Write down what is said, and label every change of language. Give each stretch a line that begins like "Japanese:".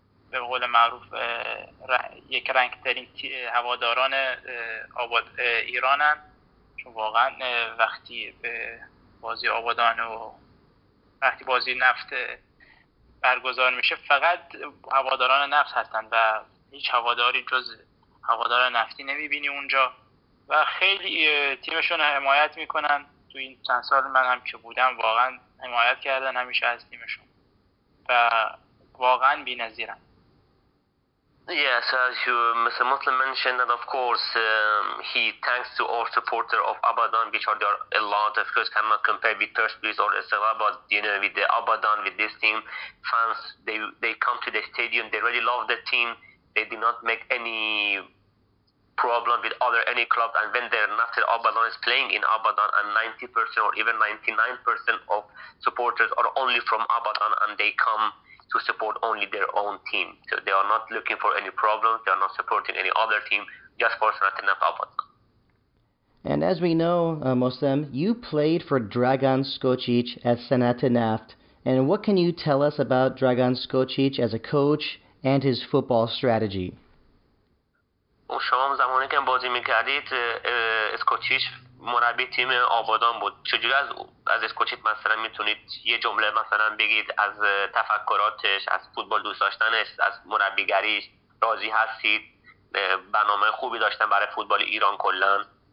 Persian: به قول معروف یک رنگ ترین هواداران آباد ایرانن، چون واقعا وقتی به بازی آبادان و وقتی بازی نفت برگزار میشه فقط هواداران نفت هستن و هیچ هواداری جز هوادار نفتی نمیبینی اونجا و خیلی تیمشون رو حمایت میکنن. تو این چند سال من هم که بودم واقعا حمایت کردن همیشه از تیمشون و واقعا بی نظیرن.
English: Yes, as you, Mr. Muslim mentioned, and of course, he thanks to all supporters of Abadan, which are there a lot. Of course, cannot compare with Persepolis or Esteghlal, but you know, with the Abadan, with this team, fans, they come to the stadium, they really love the team. They did not make any problem with other any club, and when they're not in Abadan is playing in Abadan, and 90% or even 99% of supporters are only from Abadan, and they come to support only their own team. So they are not looking for any problems. They are not supporting any other team, just for Sanat Naft Abadan. And as we know, Moslem, you played for Dragan Skocic at Sanat Naft, and what can you tell us about Dragan Skocic as a coach and his football strategy?
Persian: اون شما زمانی که بازی میکردید اسکوچیش مربی تیم آبادان بود. چجوری از اسکوچیت مثلا میتونید یه جمله مثلا بگید از تفکراتش، از فوتبال دوست داشتنش، از مربیگریش راضی هستید؟ برنامه خوبی داشتن برای فوتبال ایران کلن؟